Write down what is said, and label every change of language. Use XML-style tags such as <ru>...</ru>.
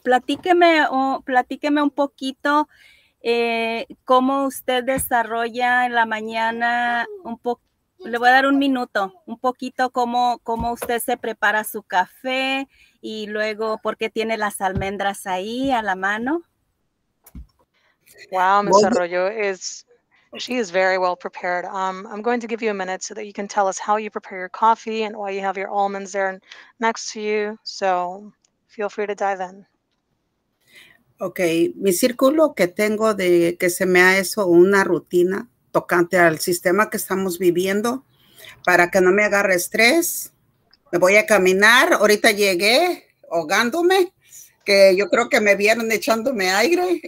<es>Platíqueme un poquito cómo usted desarrolla en la mañana. Le voy a dar un minuto, un poquito cómo usted se prepara su café y luego por qué tiene las almendras ahí a la mano.</es> <en>Wow, Ms. Arroyo, she is very well prepared. I'm going to give you a minute so that you can tell us how you prepare your coffee and why you have your almonds there next to you. So feel free to dive in.</en> <es>Okay, mi círculo que tengo de que se me ha hecho una rutina tocante al sistema que estamos viviendo para que no me agarre estrés. Me voy a caminar. Ahorita llegué ahogándome, que yo creo que me vieron echándome aire.</es>